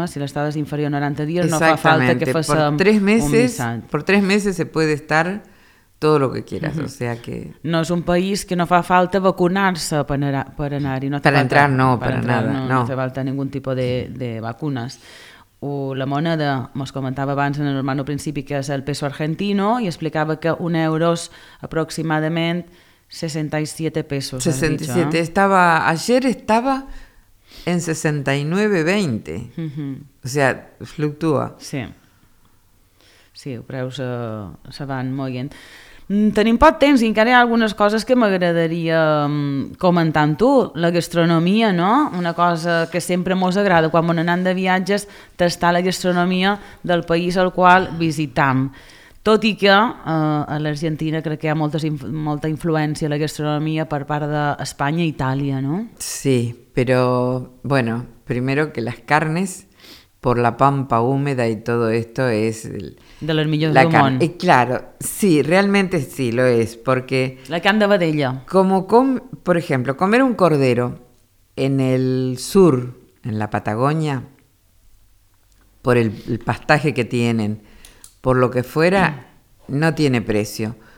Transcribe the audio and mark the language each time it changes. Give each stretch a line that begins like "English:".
Catalan: Si l'estada és inferior a 90 dies no fa falta que facem un visat.
Spanish: Por tres meses se puede estar todo lo que quieras. Uh-huh. O sea que...
Catalan: No és un país que no fa falta vacunar-se per anar-hi. No per entrar no, per nada. No fa falta
Spanish: ningún tipo de
Catalan: vacunes. La moneda, mos comentava abans en el normano principi, que és el peso argentino, i explicava que un euro és aproximadament 67 pesos.
Spanish: 67, estava, ayer estava en 69.20, o sea, fluctua.
Catalan: Sí, sí, els preus se van moient. Tenim poc temps i encara hi ha algunes coses que m'agradaria comentar amb tu. La gastronomia, no? Una cosa que sempre mos agrada quan mon anant de viatges, tastar la gastronomia del país al qual visitam. Tot i que a l'Argentina crec que hi ha molta influència a la gastronomia per part d'Espanya i Itàlia, no?
Spanish: Sí, però, bueno, primero que les carnes... por la pampa húmeda y todo esto es... De los millones de humón. Claro, sí, realmente sí lo es, porque...
Catalan: La carne de vedella.
Spanish: Como, por ejemplo, comer un cordero en el sur, en la Patagonia, por el pastaje que tienen, por lo que fuera, no tiene precio.